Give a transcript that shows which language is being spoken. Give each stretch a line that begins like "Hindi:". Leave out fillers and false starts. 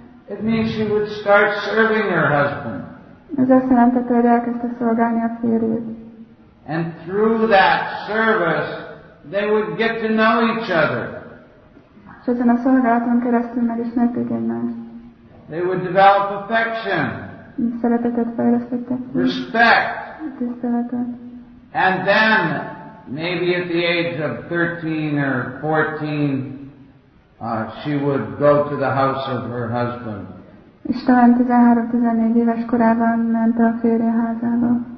English: It means she would start serving her husband.
Hungarian: Ez azt jelenti, hogy elkezdte szolgálni a férjét.
English: And through that service, they would get to know each other.
Hungarian: És ezen a szolgálaton keresztül megismerték egymást.
English: They would develop affection.
Hungarian: Szeretetet fejlesztettek.
English: Respect.
Hungarian: Tiszteletet.
English: And then, maybe at the age of 13 or 14, she would go to the house of her husband.
Hungarian: És talán 13-14 éves korában ment a férjeházába.